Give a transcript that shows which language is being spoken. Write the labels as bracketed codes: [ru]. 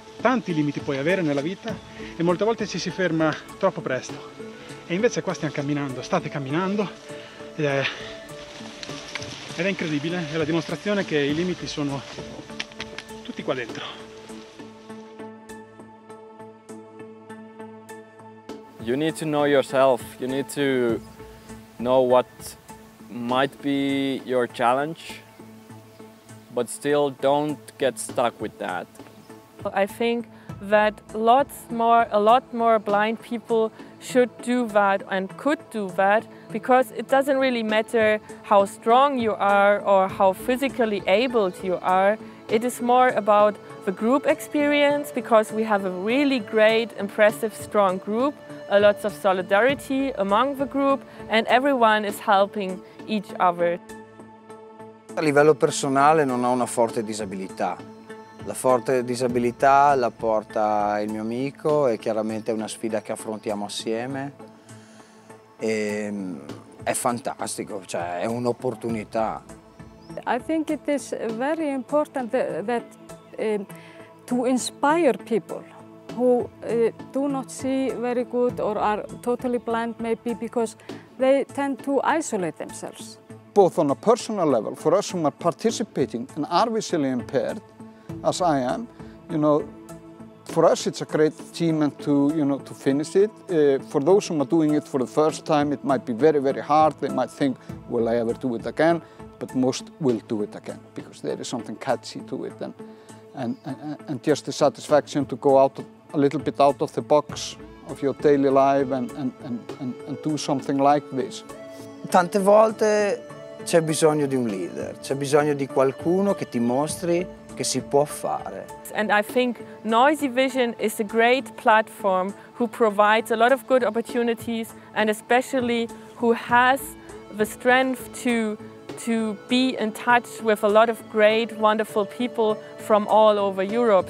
[it] Tanti limiti puoi avere nella vita e molte volte ci si ferma troppo presto. E invece qua stiamo camminando, state camminando, ed è incredibile, è la dimostrazione che i limiti sono tutti qua dentro. [en] You need to know yourself, you need to know what might be your challenge, but still don't get stuck with that. I think that a lot more blind people should do that and could do that, because it doesn't really matter how strong you are or how physically abled you are. It is more about the group experience, because we have a really great, impressive, strong group, a lot of solidarity among the group, and everyone is helping each other. [it] A livello personale non ho una forte disabilità. La forte disabilità la porta il mio amico, e chiaramente è una sfida che affrontiamo assieme. E è fantastico, cioè è un'opportunità. [en] I think it is very important that to inspire people who do not see very good or are totally blind, maybe because they tend to isolate themselves. Both on a personal level, for us who are participating and are visually impaired, as I am, you know, for us it's a great achievement to, you know, to finish it. For those who are doing it for the first time, it might be very, very hard. They might think, will I ever do it again? But most will do it again because there is something catchy to it. And just the satisfaction to go out a little bit out of the box of your daily life and do something like this. [it] Tante volte c'è bisogno di un leader, c'è bisogno di qualcuno che ti mostri che si può fare. [en] And I think Noisy Vision is a great platform who provides a lot of good opportunities and especially who has the strength to be in touch with a lot of great, wonderful people from all over Europe.